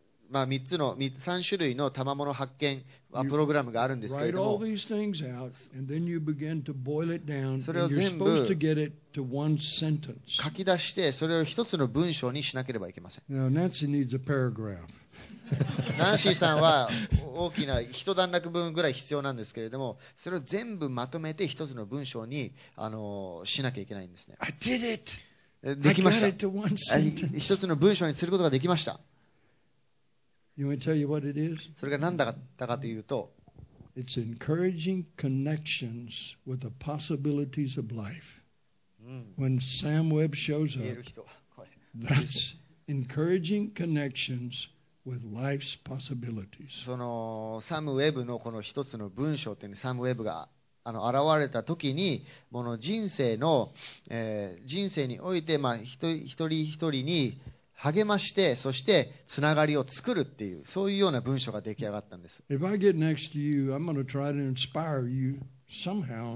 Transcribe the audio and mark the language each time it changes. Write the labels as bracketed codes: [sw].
[ja] まあ、3つの3種類の賜物発見プログラムがあるんですけれども、 [en] write all these things out, and then you begin to boil it down, [ja] それを全部書き出して、それを一つの文章にしなければいけません。 [en] Now, Nancy needs a paragraph. [ja] ナンシーさんは大きな一段落分ぐらい必要なんですけれども、それを全部まとめて一つの文章にしなきゃいけないんですね。 [en] I did it! [ja] できました。 [en] I got it to one sentence. [ja] 一つの文章にすることができました。 [en] You want to tell you what it is? [ja] それが何だったかというと、 [en] It's encouraging connections with the possibilities of life. When Sam Webb shows up, that's encouraging connections with life's possibilities. [ja] そのサム・ウェブのこの一つの文章というのに、サム・ウェブが現れた時に、この人生の、人生において、まあ、一人一人に励まして、そしてつながりを作るっていう、そういうような文章が出来上がったんです。 [en] If I get next to you, I'm going to try to inspire you somehow